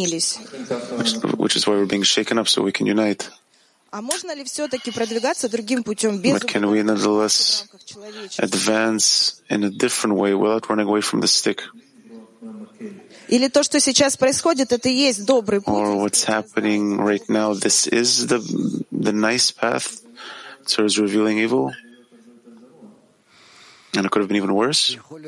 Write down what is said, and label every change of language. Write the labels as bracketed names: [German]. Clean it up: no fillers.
[English] Which is why we're being shaken up, so we can unite. But can we nonetheless advance in a different way without running away from the stick? [Russian] Или то, что сейчас происходит, это и есть добрый путь. [English] Or what's happening right now, this is the nice path towards revealing evil? And it could have been even worse?